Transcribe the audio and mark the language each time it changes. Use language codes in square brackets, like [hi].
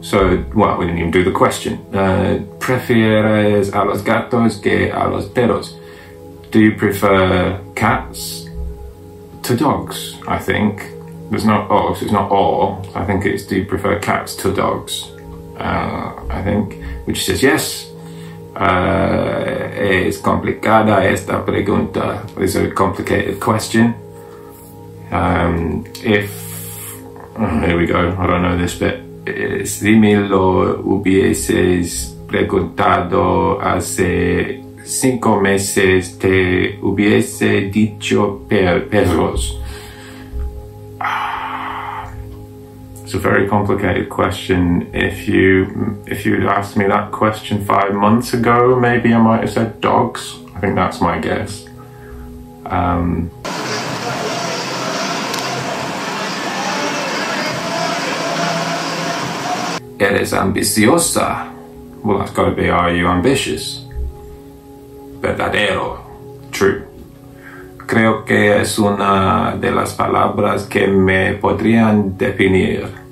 [en] So, well, we didn't even do the question. [es] Prefieres a los gatos que a los perros. [en] Do you prefer cats to dogs, I think. I think it's, do you prefer cats to dogs? I think, which says yes. [es] Es complicada esta pregunta. [en] It's a complicated question. Here we go, I don't know this bit. [es] Si me lo hubieses preguntado hace 5 meses, te hubiese dicho perros. [en] It's a very complicated question. If you asked me that question 5 months ago, maybe I might have said dogs. I think that's my guess. [es] Eres ambiciosa. [en] Well, that's got to be, are you ambitious? [es] Verdadero. [en] True. [es] Creo que es una de las palabras que me podrían definir.